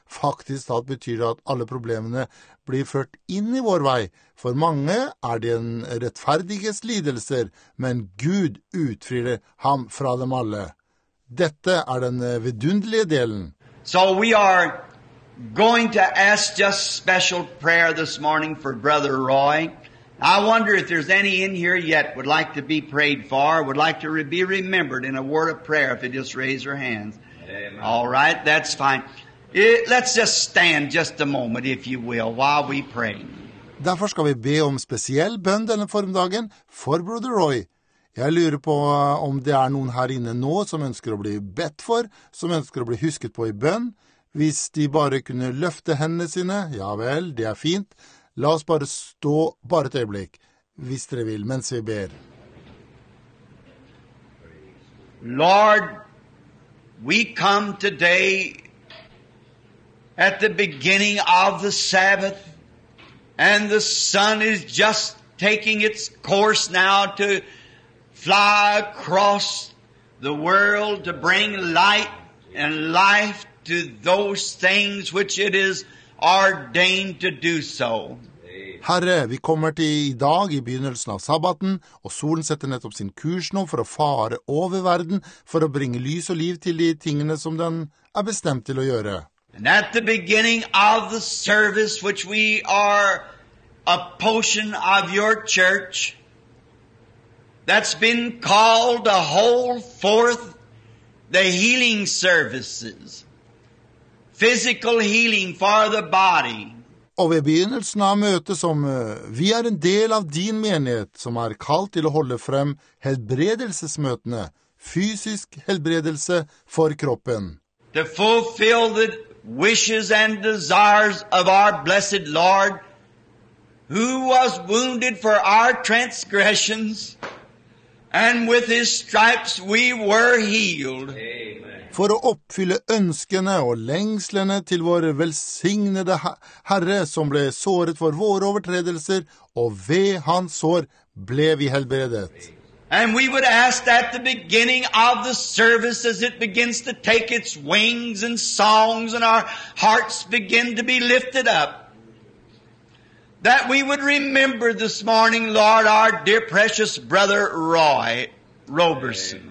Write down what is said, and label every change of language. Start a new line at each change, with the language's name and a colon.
Norwegian: Faktisk alt betyr det at alle problemene blir ført inn i vår vei. For mange er det en rettferdiges lidelser, men Gud utfrir ham fra dem alle. Dette er den vidunderlige delen.
English: So we are going to ask just special prayer this morning for Brother Roy. I wonder if there's any in here yet would like to be prayed for, would like to be remembered in a word of prayer, if you just raise your hands. Amen. All right, that's fine. Let's just stand just a moment, if you will, while we pray.
Norwegian: Derfor skal vi be om spesiell bønn denne formiddagen for Brother Roy. Jeg lurer på om det er noen her inne nå som ønsker å bli bedt for, som ønsker å bli husket på i bønn. Hvis de bare kunne løfte hendene sine, ja vel, det er fint. La oss bare stå bare et øyeblikk, hvis dere vil, mens vi ber.
English: Lord, we come today at the beginning of the Sabbath, and the sun is just taking its course now to fly across the world to bring light and life to those things which it is ordained to do so.
Norwegian: Herre, vi kommer til i dag i begynnelsen av sabbaten, og solen setter nettopp sin kurs nå for å fare over verden, for å bringe lys og liv til de tingene som den bestemt til å gjøre.
English: And at the beginning of the service, which we are a portion of your church, that's been called to hold forth the healing services, physical healing for the body.
Norwegian: Og ved begynnelsen av møtet som vi er en del av din menighet, som er kalt til å holde frem helbredelsesmøtene, fysisk helbredelse for kroppen.
English: To fulfill the wishes and desires of our blessed Lord, who was wounded for our transgressions, and with his stripes we were healed.
Norwegian: For å oppfylle ønskene og lengslene til vår velsignede Herre som ble såret for våre overtredelser, og ved hans sår ble vi helbredet.
English: And we would ask at the beginning of the service, as it begins to take its wings and songs and our hearts begin to be lifted up, that we would remember this morning, Lord, our dear precious brother Roy Roberson.